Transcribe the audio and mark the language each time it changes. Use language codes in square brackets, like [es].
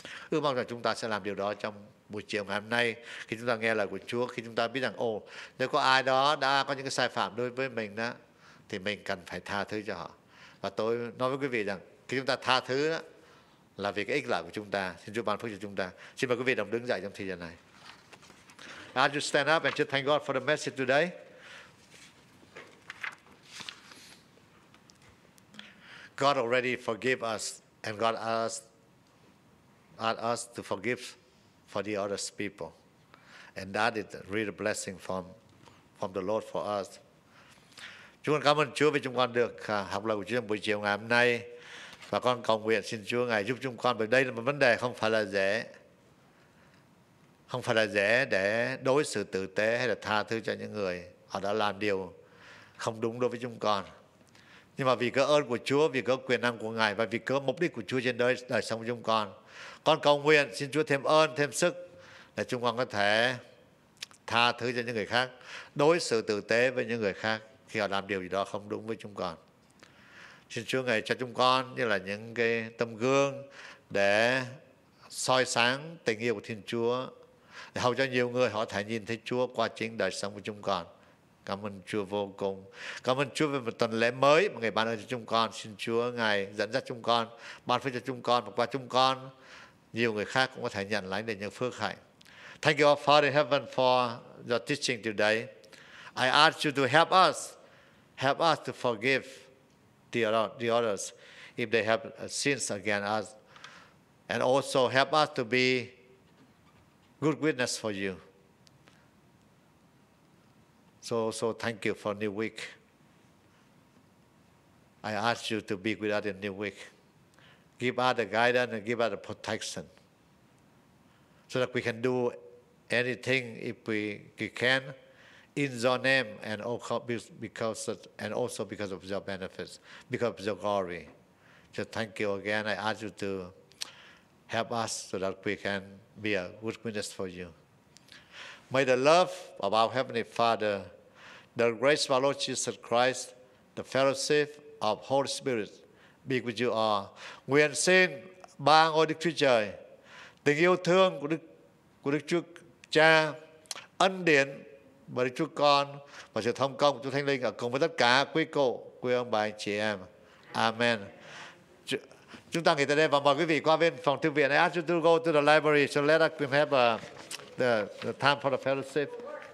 [vi] Ước mong là chúng ta sẽ làm điều đó trong buổi chiều ngày hôm nay, khi chúng ta nghe lời của Chúa, khi chúng ta biết rằng nếu có ai đó đã có những cái sai phạm đối với mình đó, thì mình cần phải tha thứ cho họ. Và tôi nói với quý vị rằng, khi chúng ta tha thứ đó, là vì cái ích lợi của chúng ta. Xin Chúa ban phước cho chúng ta. Xin mời quý vị đồng đứng dậy trong thời gian này. [en] I just stand up and just thank God for the message today. God already forgive us, and God asked us to forgive for the other people, and that is really a blessing from the Lord for us. [vi] Chúng con cảm ơn Chúa vì chúng con được học lời của Chúa trong buổi chiều ngày hôm nay. Và con cầu nguyện xin Chúa Ngài giúp chúng con, bởi đây là một vấn đề không phải là dễ. Không phải là dễ để đối xử tử tế hay là tha thứ cho những người họ đã làm điều không đúng đối với chúng con. Nhưng mà vì cớ ơn của Chúa, vì cớ quyền năng của Ngài và vì cớ mục đích của Chúa trên đời sống của chúng con cầu nguyện xin Chúa thêm ơn, thêm sức để chúng con có thể tha thứ cho những người khác, đối xử tử tế với những người khác khi họ làm điều gì đó không đúng với chúng con. Xin Chúa Ngài cho chúng con như là những cái tấm gương để soi sáng tình yêu của Thiên Chúa, để hầu cho nhiều người họ thể nhìn thấy Chúa qua chính đời sống của chúng con. Cảm ơn Chúa vô cùng. Cảm ơn Chúa về một tuần lễ mới mà Ngài ban ơn cho chúng con. Xin Chúa Ngài dẫn dắt chúng con, ban phước cho chúng con, và qua chúng con nhiều người khác cũng có thể nhận lãnh được những phước hạnh. [en] Thank you all Father in Heaven for your teaching today. I ask you to help us to forgive the others if they have sins against us, and also help us to be good witness for you. So thank you for new week. I ask you to be with us in new week. Give us the guidance and give us the protection so that we can do anything if we can in your name, and also because of your benefits, because of your glory. So thank you again. I ask you to help us so that we can be a good witness for you. May the love of our Heavenly Father, the grace of our Lord Jesus Christ, the fellowship of Holy Spirit be with you all. [vi] Nguyện xin ba ngôi Đức Chúa Trời, tình yêu thương của Đức Chúa Cha, ân điển và Đức Chúa Con và sự thông công của Chúa Thánh Linh ở cùng với tất cả quý cô, quý ông bà, anh chị em. Amen. Chúng ta nghỉ tại đây và mời quý vị qua bên phòng thư viện. [en] I ask you to go to the library, so let us have the time for the fellowship.